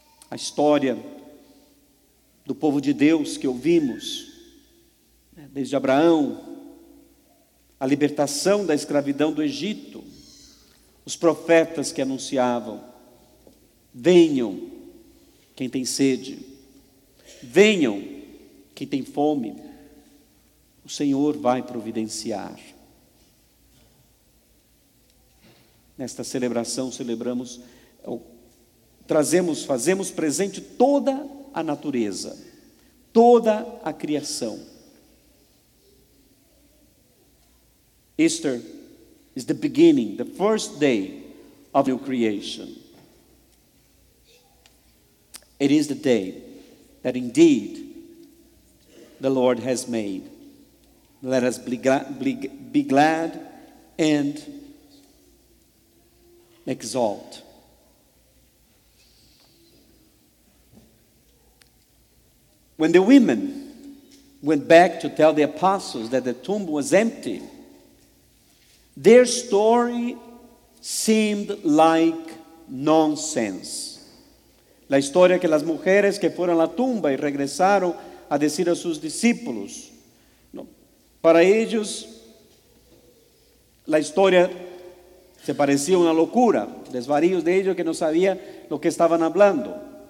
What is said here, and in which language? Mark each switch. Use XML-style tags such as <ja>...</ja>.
<pt>A historia do povo de Deus que ouvimos, desde Abraão, a libertação da escravidão do Egito, os profetas que anunciavam: venham quem tem sede, venham quem tem fome, o Senhor vai providenciar. Nesta celebração celebramos, trazemos, fazemos presente toda a natureza, toda a criação.</pt> <en>Easter is the beginning, the first day of new creation. It is the day that indeed the Lord has made. Let us be glad and exalt. When the women went back to tell the apostles that the tomb was empty, their story seemed like nonsense.</en> <es>La historia que las mujeres que fueron a la tumba y regresaron a decir a sus discípulos, no, para ellos la historia se parecía una locura, desvaríos de ellos que no sabían lo que estaban hablando.</es>